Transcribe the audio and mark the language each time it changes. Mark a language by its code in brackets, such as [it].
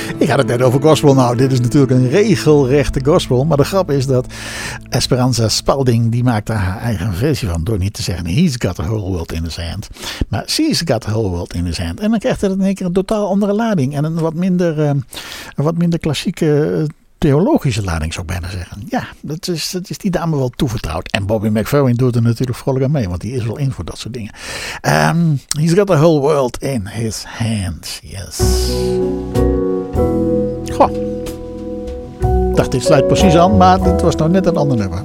[nl] Ik had het net over gospel. Nou, dit is natuurlijk een regelrechte gospel. Maar de grap is dat Esperanza Spalding, die maakt daar haar eigen versie van. Door niet te zeggen, [en] he's got the whole world in his hand. Maar she's got the whole world in his hand. [nl] En dan krijgt het in één keer een totaal andere lading. En een wat minder klassieke theologische lading, zou ik bijna zeggen. Ja, dat is die dame wel toevertrouwd. En Bobby McFerrin doet er natuurlijk vrolijk aan mee, want die is wel in voor dat soort dingen. [en] He's got the whole world in his hands, yes. [nl] Goh. Dacht, dit sluit precies aan, maar het was nou net een ander nummer.